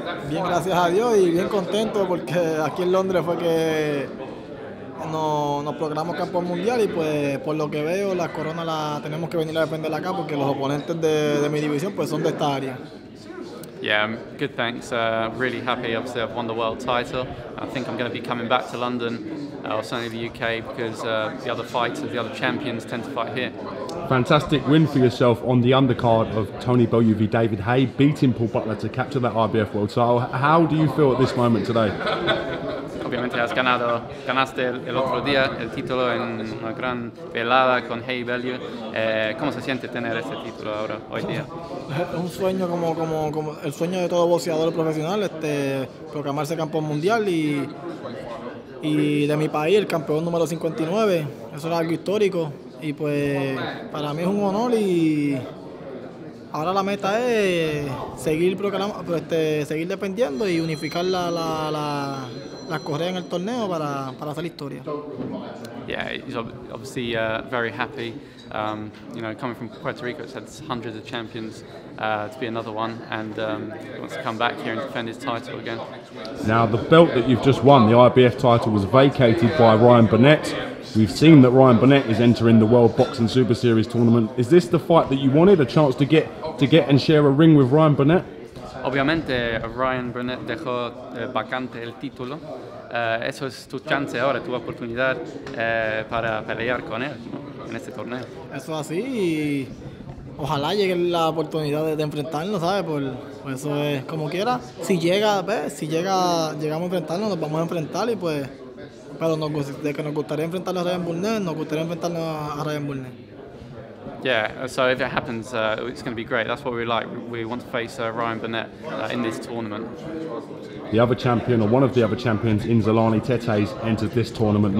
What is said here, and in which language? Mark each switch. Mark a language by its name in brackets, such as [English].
[Spanish] Bien, gracias a Dios y bien contento porque aquí en Londres fue que nos programamos campo mundial y pues por lo que veo la corona la tenemos que venir a defender acá porque los oponentes de mi división pues son de esta área. [English] Yeah, good thanks. Really happy. Obviously, I've won the world title. I think I'm going to be coming back to London, or certainly the UK, because the other fighters, the other champions, tend to fight here. Fantastic win for yourself on the undercard of Tony Bellew v. David Hay, beating Paul Butler to capture that IBF world title. How do you feel at this moment today? [Spanish] Obviamente has ganado, ganaste el otro día el título en una gran velada con Hay Bellew. ¿Cómo se siente tener ese título ahora, hoy día? Un sueño como el sueño de todo boxeador profesional, proclamarse campeón mundial y de mi país, el campeón número 59. Eso era algo histórico y pues para mí es un honor y ahora la meta es seguir defendiendo y unificar las correas en el torneo para hacer historia. [English] Yeah, he's obviously very happy. You know, coming from Puerto Rico, it's had hundreds of champions to be another one, and he wants to come back here and defend his title again. Now, the belt that you've just won, the IBF title, was vacated by Ryan Burnett. We've seen that Ryan Burnett is entering the World Boxing Super Series tournament. Is this the fight that you wanted, a chance to get and share a ring with Ryan Burnett? [Spanish] Obviamente, Ryan Burnett dejó vacante el título. Eso es tu chance ahora, tu oportunidad para pelear con él, ¿no? En este torneo. Eso es así y ojalá llegue la oportunidad de enfrentarnos, ¿sabes? Por eso es como quiera. Si llega, llegamos a enfrentarnos, nos vamos a enfrentar y pues, pero nos gustaría enfrentarnos a Ryan Burnett, nos gustaría enfrentarnos a Ryan Burnett. [English] Yeah, so if it happens, it's going to be great. That's what we like. We want to face Ryan Burnett in this tournament. The other champion, or one of the other champions, Inzalani Tete, has entered this tournament.